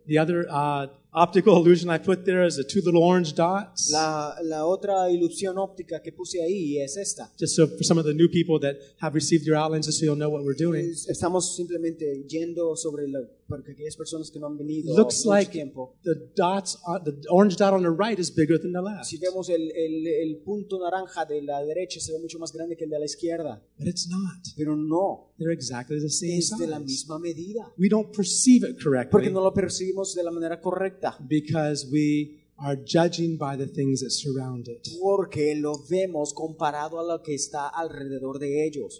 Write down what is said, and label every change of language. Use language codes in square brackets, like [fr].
[en] The other optical illusion I put there is the two little orange dots. [es] La otra ilusión óptica que puse ahí es esta. [en] Just so for some of the new people that have received your outlines, just so you'll know what we're doing. [es] Estamos simplemente yendo sobre la. Que no han [en] looks like [es] tiempo, [en] the dots, the orange dot on the right is bigger than the left. [es] Si vemos el punto naranja de la derecha se ve mucho más grande que el de la izquierda. [en] But it's not. [es] Pero no. [en] They're exactly the same size. [es] Es de la misma medida. [en] We don't perceive it correctly. [es] Porque no lo percibimos de la manera correcta. [en] Because we are judging by the things that surround it. [es] Porque lo vemos comparado a lo que está alrededor de ellos.